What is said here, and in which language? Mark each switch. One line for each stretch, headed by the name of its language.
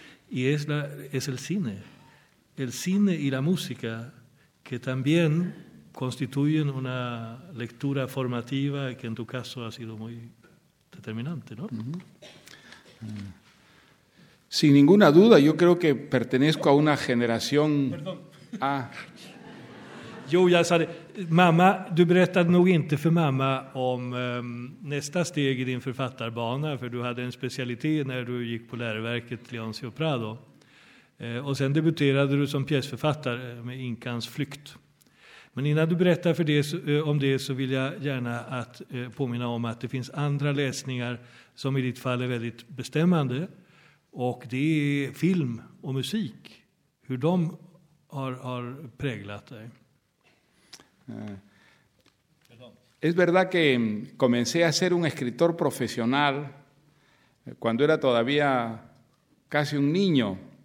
Spanish: Y es el cine. El cine y la música, que también constituyen una lectura formativa que en tu caso ha sido muy determinante, ¿no? Sin ninguna duda, yo creo que pertenezco a una generación... Perdón.
Swedish: Jo, jag sa det. Mamma, du berättade nog inte för mamma om nästa steg i din författarbana, för du hade en specialitet när du gick på läroverket Leoncio Prado. Och sen debuterade du som pjäsförfattare med Inkans flykt. Men innan du berättar för det, om det, så vill jag gärna att påminna om att det finns andra läsningar som i ditt fall är väldigt bestämmande. Och det är film och musik, hur de har präglat dig.
Spanish: Es verdad que comencé a ser un escritor profesional cuando era todavía casi un niño.